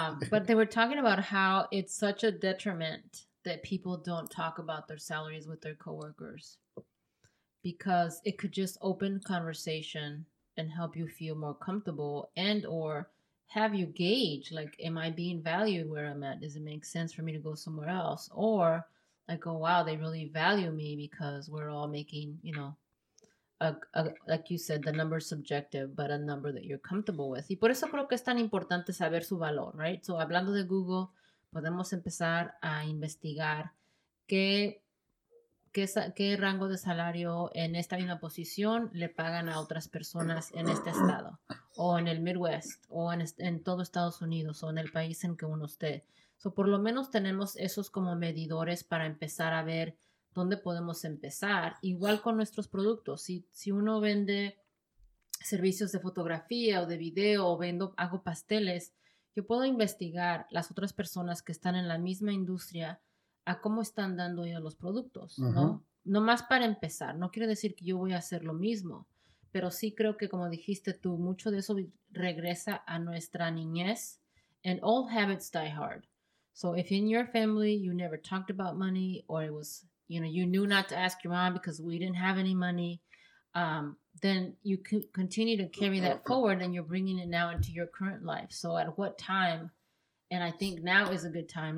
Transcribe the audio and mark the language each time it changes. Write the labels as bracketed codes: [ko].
[en] but they were talking about how it's such a detriment that people don't talk about their salaries with their coworkers, because it could just open conversation and help you feel more comfortable, and or have you gauge, like, am I being valued where I'm at? Does it make sense for me to go somewhere else? Or like, oh, wow, they really value me, because we're all making, you know, like you said, the number subjective, but a number that you're comfortable with. [es] Y por eso creo que es tan importante saber su valor, [en] right? [es] So hablando de Google, podemos empezar a investigar qué rango de salario en esta misma posición le pagan a otras personas en este estado, o en el Midwest, o en todo Estados Unidos, o en el país en que uno esté. So, por lo menos tenemos esos como medidores para empezar a ver dónde podemos empezar. Igual con nuestros productos. Si uno vende servicios de fotografía o de video, o hago pasteles, yo puedo investigar las otras personas que están en la misma industria a cómo están dando ellos los productos, ¿no? Uh-huh. Nomás para empezar. No quiere decir que yo voy a hacer lo mismo. Pero sí creo que, como dijiste tú, mucho de eso regresa a nuestra niñez. [en] And old habits die hard. So if in your family you never talked about money, or it was, you know, you knew not to ask your mom because we didn't have any money, then you can continue to carry that forward, and you're bringing it now into your current life. So at what time, and I think now is a good time.